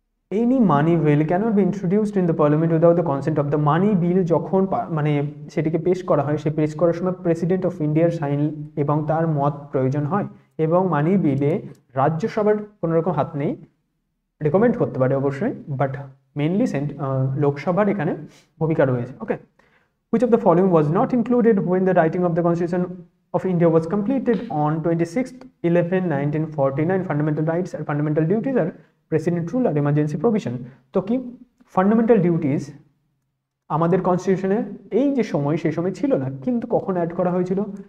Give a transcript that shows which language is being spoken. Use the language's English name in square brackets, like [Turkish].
[English] any money bill can be introduced in the parliament without the consent of the, [Bangla] মানি বিল যখন মানে সেটিকে পেশ করা হয় সে পেশ করার সময় প্রেসিডেন্ট অফ ইন্ডিয়ার সাইন এবং তার মত প্রয়োজন হয়, এবং মানি বিলে রাজ্যসভার কোনোরকম হাত নেই, রেকমেন্ড করতে পারে অবশ্যই বাট মেনলি সেন্ট লোকসভার এখানে ভূমিকা রয়েছে, ওকে। [English] Which of the following was not included when the writing of the constitution of India was completed on 26th 11 1949. Fundamental rights and fundamental duties are precedent rule or emergency provision. [Bangla] To ki fundamental duties আমাদের কনস্টিটিউশনে এই যে সময় সেই সময় ছিল না, কিন্তু কখন অ্যাড করা হয়েছিল?